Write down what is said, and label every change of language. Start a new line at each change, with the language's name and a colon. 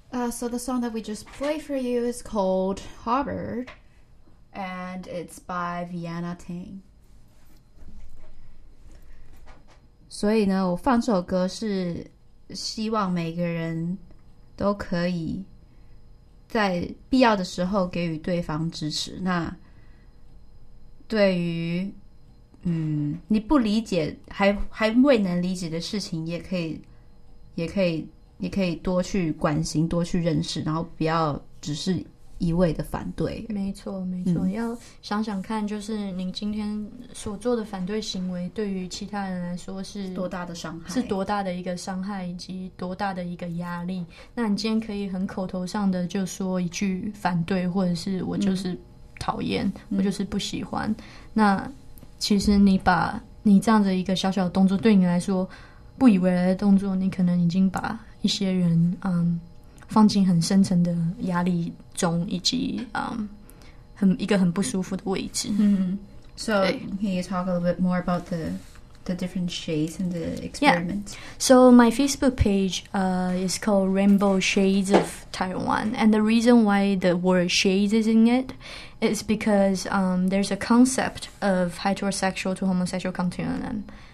English: So the song that we just played for you is called Harvard, and it's by Vienna Ting.
Chinese: 所以呢，我放这首歌是希望每个人都可以在必要的时候给予对方支持。那对于你不理解还未能理解的事情，也可以多去关心，多去认识，然后不要只是一味的反对。没错没错，要想想看，就是你今天所做的反对行为对于其他人来说是多大的伤害，是多大的一个伤害，以及多大的一个压力。那你今天可以很口头上的就说一句反对，或者是我就是讨厌，我就是不喜欢，那其实你把你这样的一个小小的动作，对你来说不以为然的动作，你可能已经把一些人放进很深层的压力中，以及一个很不舒服的位置。
English: So can you talk a little bit more about the different shades and the experiment? Yeah. So my Facebook page is called Rainbow Shades of Taiwan, and the reason why the word shades is in it is because there's a concept of heterosexual to homosexual continuum.